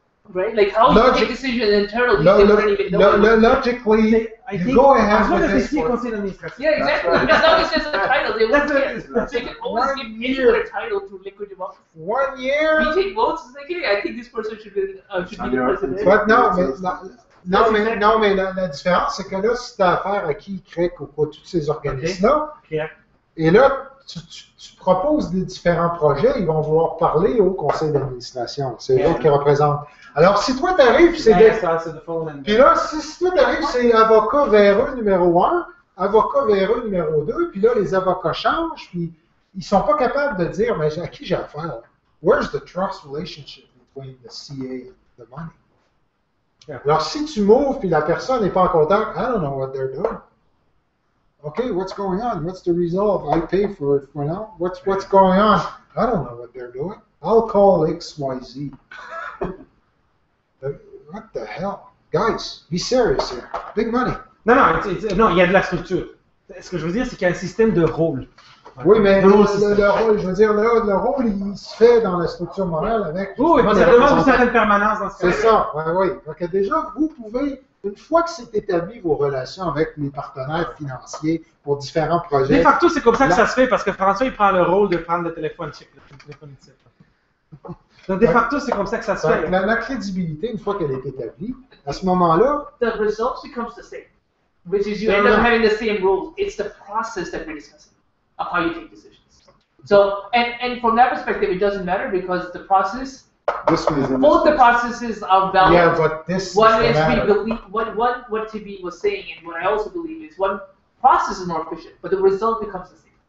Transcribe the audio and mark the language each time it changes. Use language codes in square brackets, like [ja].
[en] Right? Like, how do you make decisions internally? Logically, you go ahead with this. As long as they see a conseil d'administration. Yeah, exactly. Right. As long as there's a title, they won't care. So they can always give any other title to Liquid Democracy. 1 year? We take votes. It's like, hey, I think this person should be the president. But no, it's not. [fr] Non, mais la différence, c'est que là, si tu as affaire à qui crée ou quoi, tous ces organismes-là, et là, tu proposes des différents projets, ils vont vouloir parler au conseil d'administration. C'est eux qui représentent. Alors, si toi, tu arrives, c'est. Puis là, si toi, tu arrives, c'est avocat véreux numéro 1, avocat véreux numéro 2, puis là, les avocats changent, puis ils sont pas capables de dire, mais à qui j'ai affaire? [en] Where's the trust relationship between the CA and the money? [fr] Alors, si tu m'ouvres et la personne n'est pas en contact, [en] I don't know what they're doing. Okay, what's going on? What's the resolve? I pay for it for now. What's going on? I don't know what they're doing. I'll call XYZ. What the hell? Guys, be serious here. Big money. [fr] Non, il y a de la structure. Ce que je veux dire, c'est qu'il y a un système de rôle. Oui, mais le rôle, je veux dire, le rôle, il se fait dans la structure morale avec... Oui, ça demande une certaine permanence dans ce cas-là. C'est ça, oui. Donc, déjà, vous pouvez, une fois que c'est établi vos relations avec les partenaires financiers pour différents projets... De facto, c'est comme ça que ça se fait, parce que François, il prend le rôle de prendre le téléphone, check le téléphone, etc. Donc, de facto, c'est comme ça que ça se fait. La crédibilité, une fois qu'elle est établie, à ce moment-là... [en] The result becomes the same, which is you end up having the same role. It's the process that we're discussing. Of how you take decisions. So, and from that perspective, it doesn't matter because the process, this is both the processes are valid. Yeah, but this what is we believe, what TB was saying, and what I also believe is one process is more efficient, but the result becomes the same.